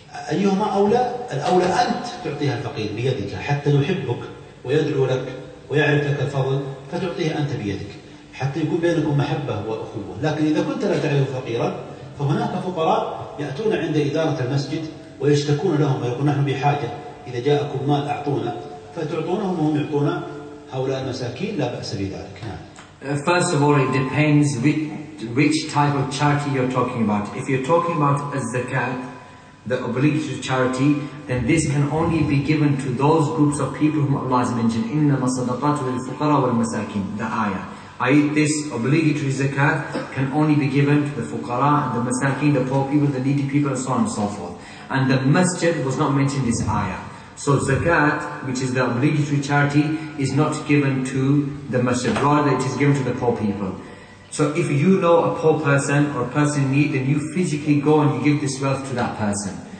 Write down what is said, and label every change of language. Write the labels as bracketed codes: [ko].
[ar] أيهما أولى؟ الأولى أنت تعطيها الفقير بيدك حتى يحبك ويدعو لك ويعرف لك الفضل، فتعطيها أنت بيدك حتى يكون بينكم محبة وأخوة. لكن إذا كنت لا تعرف فقيرا فهناك فقراء يأتون عند إدارة المسجد ويشتكون لهم ويقول نحن بحاجة، إذا جاءكم مال أعطونا، فتعطونهم وهم يعطونا هؤلاء المساكين، لا بأس بذلك. [en] First of all, it depends which type of charity you're talking about. If you're talking about a zakat, the obligatory charity, then this can only be given to those groups of people whom Allah has mentioned. [ar] إِنَّمَا صَدَقَاتُ لِلْفُقَرَى وَالْمَسَاكِينَ, [en] the ayah. I.e. this obligatory zakat can only be given to the fuqara, the masakin, the poor people, the needy people, and so on and so forth. And the masjid was not mentioned in this ayah. So zakat, which is the obligatory charity, is not given to the masjid. Rather, it is given to the poor people. So if you know a poor person or a person in need, then you physically go and you give this wealth to that person.